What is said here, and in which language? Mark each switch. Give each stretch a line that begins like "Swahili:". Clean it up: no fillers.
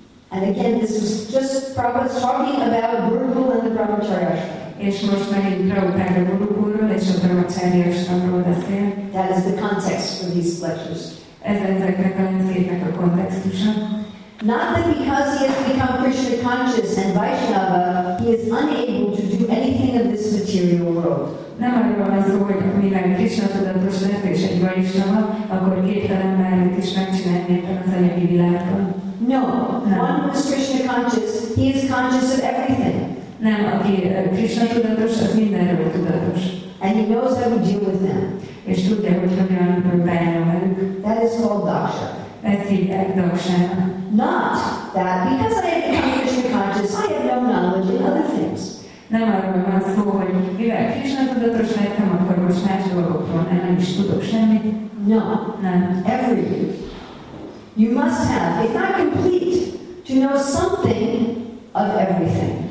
English: And again, this was just Prabhupada talking about Gurukul and the Brahmacharya ashram.
Hungarian: És most megint Prabhupada Gurukulról és a Brahmacharya ashramról beszél.
English: That is the context for these lectures.
Hungarian: Ez ezeknek a lecturéknek a kontextusa.
English: Not that because he has become Krishna conscious and Vaishnava, he is unable to do anything of this material world.
Hungarian: Nem arról van szó, hogy mivel Krishna tudatos lett és egy Vaishnava, akkor képtelen mellett is megcsinálni ebben az anyagi világban.
English: No, one who is Krishna conscious, he is conscious of everything.
Hungarian: Nem, aki Krishna tudatos, az mindenről tudatos.
English: And he knows how to deal with them.
Hungarian: És tudja, hogy hogyan bánjon velük.
English: That is called daksha.
Hungarian: Ez hívják daksának.
English: Not that because I am Krishna conscious, I have no knowledge in other things.
Hungarian: Nem arról van szó, hogy mivel Krisna tudatos lettem, akkor most más dolgokról nem is tudok semmit.
English: No.
Hungarian: Nem.
English: Everything. You must have, if not complete, to know something of everything.